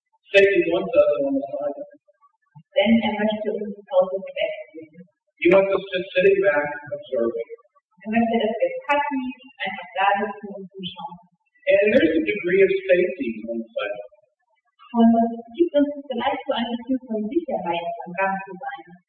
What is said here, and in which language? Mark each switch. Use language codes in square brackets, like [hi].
[en] Satan wants us on the side. [de] Denn er möchte uns aus dem Bett bringen. [en] He wants us just sitting back and observing. [de] Er möchte, dass wir passiv einfach da sitzen und zuschauen. [en] And there's a degree of safety on the side. [de] Und es gibt uns vielleicht so ein Gefühl von Sicherheit, am Rand zu sein.